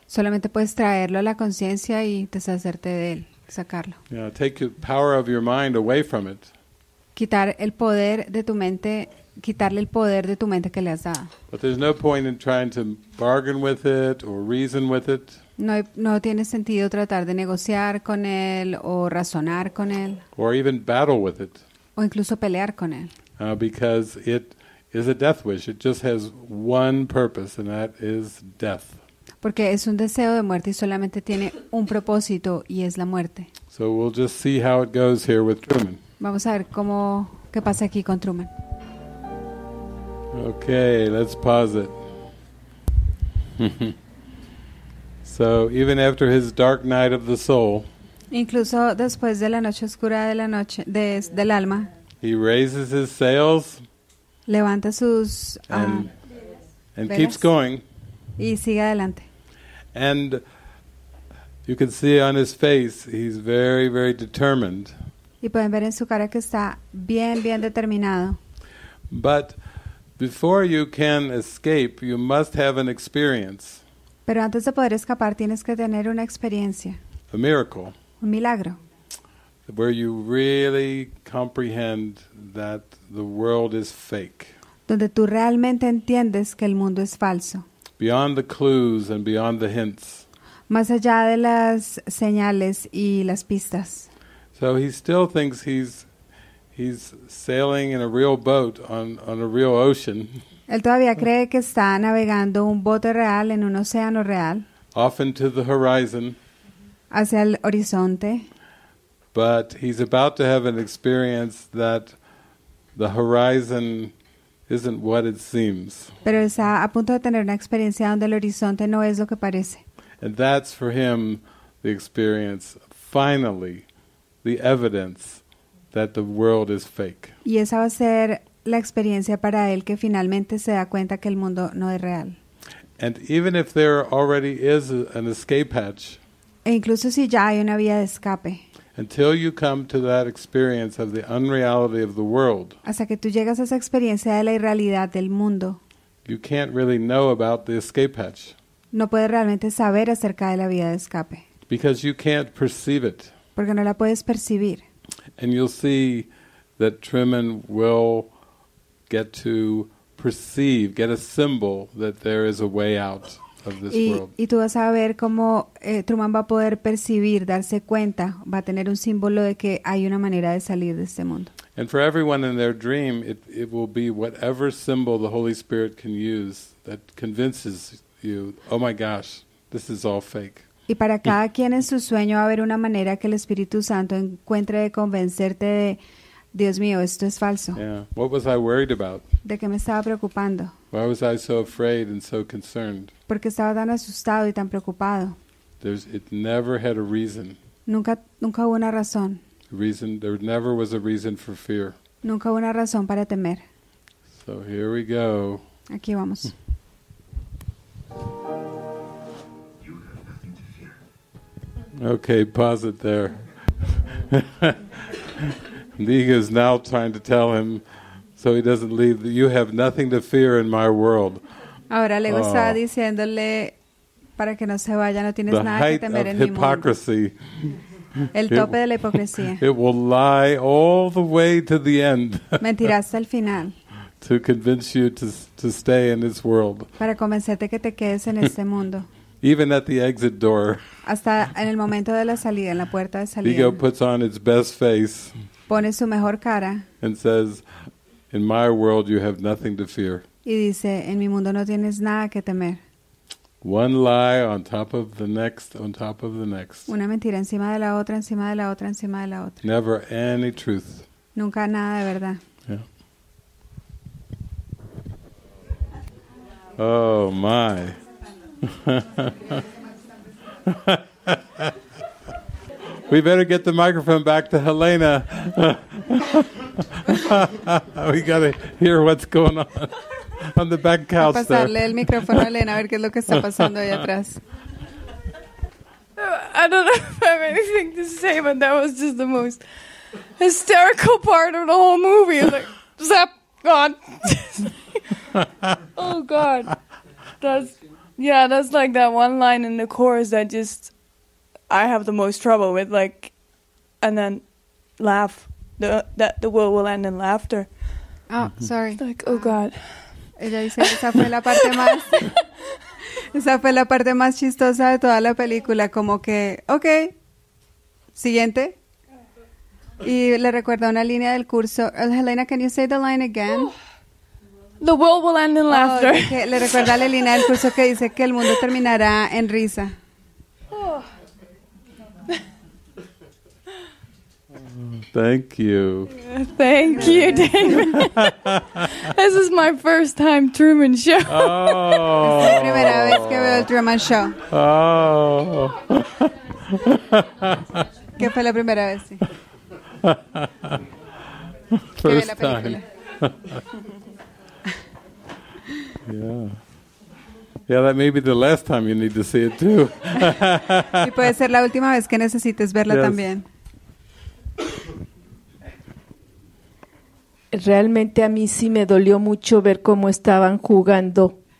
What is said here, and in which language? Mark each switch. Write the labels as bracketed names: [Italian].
[Spanish] Solamente puedes traerlo a la conciencia y deshacerte de él. Sacarlo. [English] Yeah, take the power of your mind away from it. [Spanish] Quitar el poder de tu mente, quitarle el poder de tu mente que le has dado. [English] But there's no point in trying to bargain with it or reason with it. [Spanish] No tiene sentido tratar de negociar con él o razonar con él. [English] Or even battle with it. [Spanish] O incluso pelear con él. [English] Because it is a death wish. It just has one purpose, and that is death. [Spanish] Porque es un deseo de muerte y solamente tiene un propósito y es la muerte. [English] So we'll just see how it goes here with Truman. [Spanish] Vamos a ver qué pasa aquí con Truman. [English] Okay, let's pause it. So even after his dark night of the soul, [Spanish] incluso después de la noche oscura de la noche del alma, [English] he raises his sails, [Spanish] levanta sus [English] and keeps going, [Spanish] y sigue adelante. [English] And you can see on his face, he's very, very determined. [Spanish] Y pueden ver en su cara que está bien, bien determinado. [English] But before you can escape, you must have an experience. [Spanish] Pero antes de poder escapar, tienes que tener una experiencia. [English] A miracle. [Spanish] Un milagro. [English] Where you really comprehend that the world is fake. [Spanish] Donde tú realmente entiendes que el mundo es falso. [English] Beyond the clues and beyond the hints. [Spanish] Más allá de las señales y las pistas. [English] So he still thinks he's sailing in a real boat on a real ocean. [Spanish] Él todavía cree que está navegando un bote real en un océano real. [English] Off into the horizon. [Spanish] Hacia el horizonte. [English] But he's about to have an experience that the horizon isn't what it seems. [Spanish] Pero está a punto de tener una experiencia donde el horizonte no es lo que parece. [English] And that's for him the experience, finally, the evidence that the world is fake. [Spanish] Y esa va a ser la experiencia para él que finalmente se da cuenta que el mundo no es real. [English] And even if there already is an escape hatch. [Spanish] E incluso si ya hay una vía de escape. [English] Until you come to that experience of the unreality of the world. [Spanish] Hasta que tú llegas a esa experiencia de la irrealidad del mundo. [English] You can't really know about the escape hatch. [Spanish] No puedes realmente saber acerca de la vía de escape. [English] Because you can't perceive it. [Spanish] Porque no la puedes percibir. [English] And you'll see that Truman will get to perceive, get a symbol that there is a way out of this world. [Spanish] Y tú vas a ver cómo Truman va a poder percibir, darse cuenta, va a tener un símbolo de que hay una manera de salir de este mundo. [English] And for everyone in their dream, it will be whatever symbol the Holy Spirit can use that convinces you, oh my gosh, this is all fake. [Spanish] Y para cada quien en su sueño va a haber una manera que el Espíritu Santo encuentre de convencerte de, Dios mío, esto es falso. [English] Yeah. What was I worried about? [Spanish] ¿De qué me estaba preocupando? [English] Why was I so afraid and so concerned? [Spanish] Porque estaba tan asustado y tan preocupado. [English] It never had a reason. [Spanish] Nunca hubo una razón. [English] Reason, there never was a reason for fear. [Spanish] Nunca hubo una razón para temer. [English] So here we go. [Spanish] Aquí vamos. [English] Okay, pause it there. Liga is now trying to tell him so he doesn't leave. You have nothing to fear in my world. [Spanish] Ahora le está diciéndole para que no se vaya, no tienes nada que temer en mi mundo. [English] The height of hypocrisy. [Spanish] El tope de la hipocresía. [English] It will lie all the way to the end. [Spanish] Mentirá hasta el final. [English] To convince you to stay in this world. [Spanish] Para convencerte que te quedes en este mundo. [English] Even at the exit door. [Spanish] Hasta en el momento de la salida, en la puerta de salida. [English] Ego puts on its best face. [Spanish] Pone su mejor cara. [English] And says, "In my world, you have nothing to fear." [Spanish] Y dice, "En mi mundo no tienes nada que temer." [English] One lie on top of the next, on top of the next. [Spanish] Una mentira encima de la otra, encima de la otra, encima de la otra. [English] Never any truth. [Spanish] Nunca nada de verdad. [English] Yeah. Oh my. We better get the microphone back to Helena. We gotta hear what's going on the back couch there. [Spanish] Pasarle el micrófono a Helena a ver qué es lo que está pasando ahí atrás. [English] I don't know if I have anything to say, but that was just the most hysterical part of the whole movie. Like, zap, gone. Oh God, that's like that one line in the chorus that just I have the most trouble with, like, and then laugh, the world will end in laughter. Oh, sorry. It's like, oh God. [Spanish] Ella dice que esa fue la parte más, esa fue la parte más chistosa de toda la película, como que, okay, siguiente. Y le recuerda una línea del curso. Helena, [English] can you say the line again? The world will end in laughter. [Spanish] Oh, le recuerda la línea del curso que dice que el mundo terminará en risa. [English] Thank you. Thank you, David. This is my first time Truman Show. [Spanish] Oh. Es la primera vez que veo el Truman Show. Oh. ¿Qué fue la primera vez? Sí. [English] First time. Yeah. Yeah, that may be the last time you need to see it too. [Spanish] Y puede ser la última vez que necesites verla también. Realmente a mí sí me dolió mucho ver cómo estaban jugando.